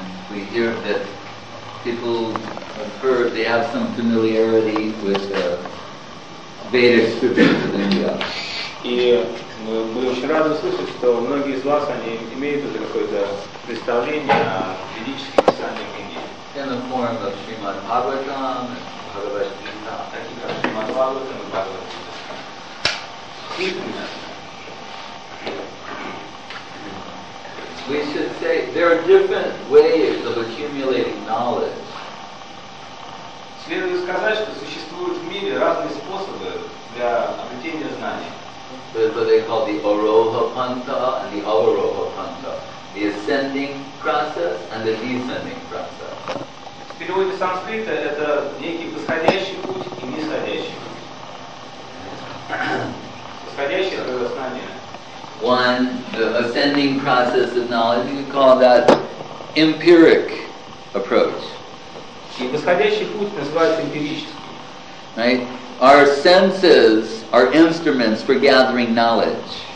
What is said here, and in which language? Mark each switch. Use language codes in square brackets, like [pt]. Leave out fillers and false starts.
[en] We hear that people have heard, they have some familiarity with the Vedic scriptures of India. [ru] И мы очень рады услышать, что многие из вас они имеют уже какое-то представление о ведических писаниях Индии. [en] In the form of Srimad Bhagavatam, Bhagavad Gita, and Bhagavad Gita. We should say there are different ways of accumulating knowledge. [ru] Следует сказать, что существуют в мире разные способы для обретения знаний. [en] That's what they call the Aroha Panta and the Avaroha Panta, the ascending process and the descending process. [ru] В переводе с санскрита это некий восходящий путь и нисходящий путь. [en] One, the ascending process of knowledge, you call that empiric approach. Right? Our senses are instruments for gathering knowledge.